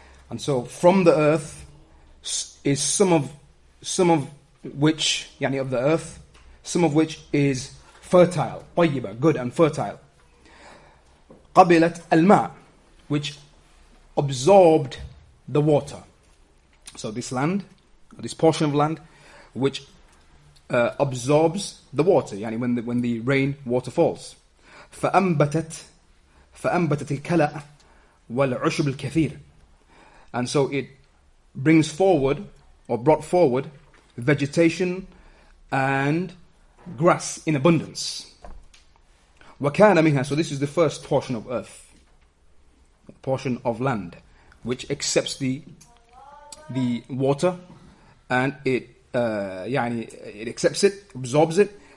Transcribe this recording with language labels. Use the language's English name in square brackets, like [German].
[English] And so from the earth is some of which, yani of the earth, some of which is fertile, طيبة, good and fertile. [Arabic] قبلت الماء, [English] which absorbed the water. So this land, this portion of land, which absorbs the water, yani when the rain water falls. [Arabic] فأنبتت الكلاء والعشب الكثير. [English] And so it brings forward or brought forward vegetation and grass in abundance. [Arabic] وكان منها, [English] so this is the first portion of earth, portion of land, which accepts the water, and it accepts it, absorbs it,